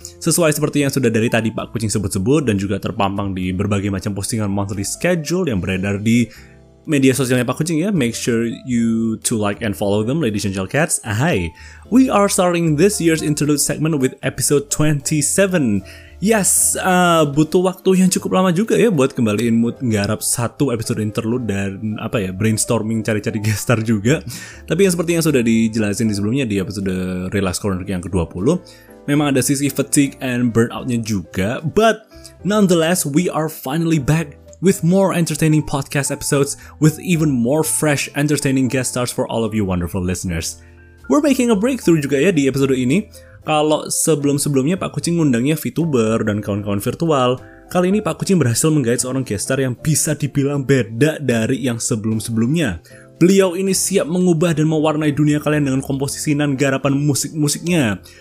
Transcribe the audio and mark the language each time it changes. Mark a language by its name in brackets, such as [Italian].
[Indonesian] Sesuai seperti yang sudah dari tadi Pak Kucing sebut-sebut dan juga terpampang di berbagai macam postingan [English] monthly schedule [Indonesian] yang beredar di media sosialnya Pak Kucing ya. [English] Make sure you to like and follow them, ladies and gentle cats. Hi, we are starting this year's Interlude segment with episode 27. Yes, [Indonesian] butuh waktu yang cukup lama juga ya buat kembaliin mood nggarap satu episode Interlude dan apa ya, brainstorming cari-cari guest star juga. Tapi yang seperti yang sudah dijelasin di sebelumnya di episode Relax Corner yang ke-20, memang ada sisi [English] fatigue and burnout- [Indonesian] nya juga. [English] But nonetheless, we are finally back with more entertaining podcast episodes with even more fresh entertaining guest stars for all of you wonderful listeners. We're making a breakthrough [Indonesian] juga ya di episode ini. Kalau sebelum-sebelumnya Pak Kucing ngundangnya VTuber dan kawan-kawan virtual, kali ini Pak Kucing berhasil menggait seorang guestar yang bisa dibilang beda dari yang sebelum-sebelumnya. Beliau ini siap mengubah dan mewarnai dunia kalian dengan komposisi dan garapan musik-musiknya.